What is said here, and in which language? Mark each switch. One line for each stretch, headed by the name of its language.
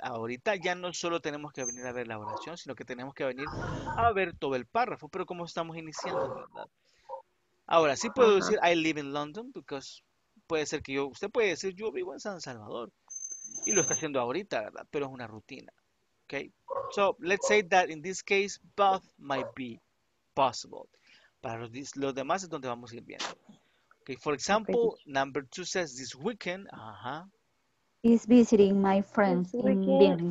Spanish: Ahorita ya no solo tenemos que venir a ver la oración, sino que tenemos que venir a ver todo el párrafo. Pero como estamos iniciando, ¿verdad? Ahora, sí puedo decir
English: I live in London, because
Spanish: puede ser que yo... Usted puede decir yo vivo en San Salvador. Y lo está haciendo ahorita, ¿verdad? Pero es una rutina. Okay?
English: So, let's say that in this case, both might be possible.
Spanish: Para los demás es donde vamos a ir viendo.
English: Okay, for example, number 2 says this weekend. Is visiting my friends this weekend, in